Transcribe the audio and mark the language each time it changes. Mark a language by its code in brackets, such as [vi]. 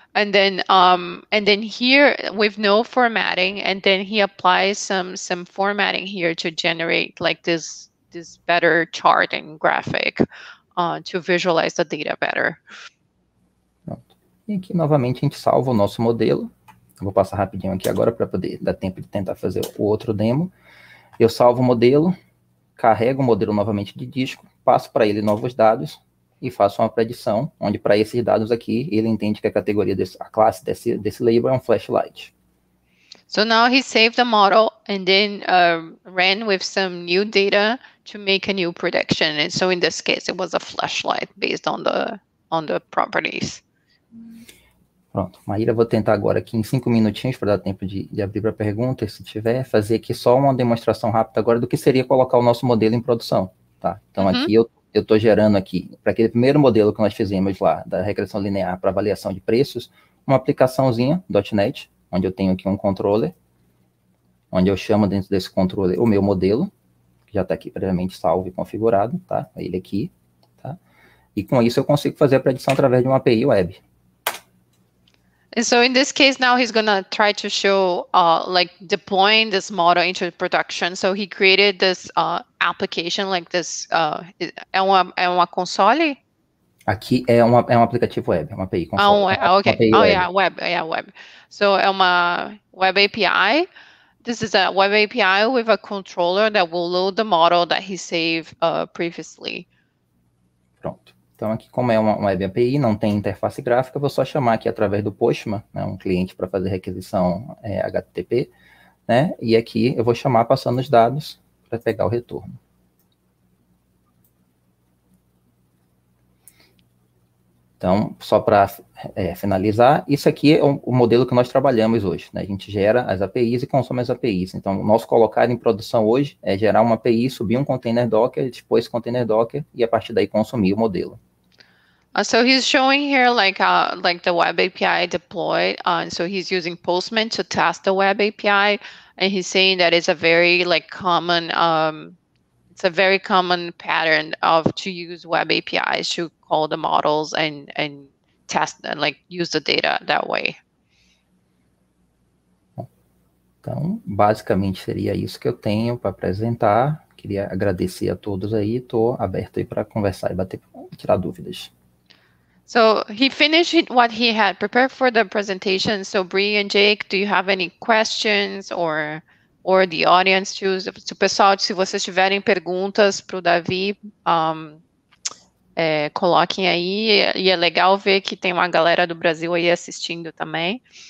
[en] And then here with no formatting, and then he applies some formatting here to generate like this better chart and graphic to visualize the data better. [pt] Pronto. E aqui novamente a gente salva o nosso modelo. Eu vou passar rapidinho aqui agora para poder dar tempo de tentar fazer o outro demo. Eu salvo o modelo, carrego o modelo novamente de disco, passo para ele novos dados e faço uma predição, onde para esses dados aqui, ele entende que a categoria, a classe desse label é um flashlight. [en] So now he saved the model and then ran with some new data to make a new prediction. And so in this case, it was a flashlight based on the properties. [pt] Pronto, Maíra, vou tentar agora aqui em 5 minutinhos para dar tempo de abrir para perguntas, se tiver, fazer aqui só uma demonstração rápida agora do que seria colocar o nosso modelo em produção. Tá? Então aqui eu estou gerando aqui, para aquele primeiro modelo que nós fizemos lá, da regressão linear para avaliação de preços, uma aplicaçãozinha .NET, onde eu tenho aqui um controller, onde eu chamo dentro desse controller o meu modelo, que já está aqui previamente salvo e configurado, tá? Ele aqui, tá? E com isso eu consigo fazer a predição através de uma API web. [en] And so in this case, now he's going to try to show deploying this model into production. So he created this application like this. [pt] É uma console? Aqui é um aplicativo web, uma API console. [en] Oh, okay. Web. So [pt] é uma web API [en] This is a web API with a controller that will load the model that he saved previously. [pt] Pronto. Então, aqui, como é uma web API, não tem interface gráfica, vou só chamar aqui através do Postman, né, um cliente para fazer requisição HTTP, né, e aqui eu vou chamar passando os dados para pegar o retorno. Então, só para finalizar, isso aqui é o modelo que nós trabalhamos hoje, né? A gente gera as APIs e consome as APIs. Então, o nosso colocado em produção hoje é gerar uma API, subir um container Docker, depois esse container Docker e a partir daí consumir o modelo. [en] So he's showing here like the web API deployed. So he's using Postman to test the web API, and he's saying that it's a very like common it's a very common pattern of to use web APIs to call the models and test and like use the data that way. [pt] Então, basicamente seria isso que eu tenho para apresentar. Queria agradecer a todos aí. Estou aberto aí para conversar e tirar dúvidas. [en] So he finished what he had prepared for the presentation. So Bree and Jake, do you have any questions or the audience too? [pt] Pessoal, se vocês tiverem perguntas para o Davi, coloquem aí. E é legal ver que tem uma galera do Brasil aí assistindo também.